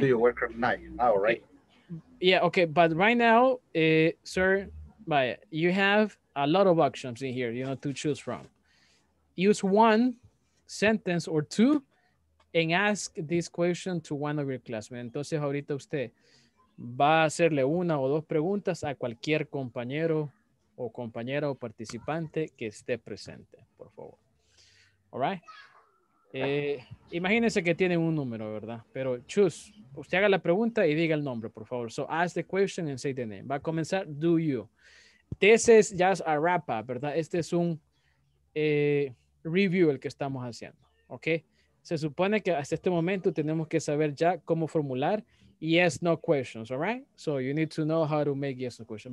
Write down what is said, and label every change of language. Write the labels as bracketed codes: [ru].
[en] Do you work at night, all right. Yeah, okay, but right now, sir, vaya, you have a lot of options in here, you know, to choose from. Use one sentence or two and ask this question to one of your classmates. [es] Entonces, ahorita usted va a hacerle una o dos preguntas a cualquier compañero o compañera o participante que esté presente, por favor. [en] All right? [es] Imagínense que tienen un número, ¿verdad? Pero choose. Usted haga la pregunta y diga el nombre, por favor. [en] So, ask the question and say the name. [es] Va a comenzar, [en] do you. This is just a wrap-up, ¿verdad? [es] Este es un review el que estamos haciendo, ¿ok? Se supone que hasta este momento tenemos que saber ya cómo formular [en] yes, no questions, all right? So you need to know how to make yes, no questions.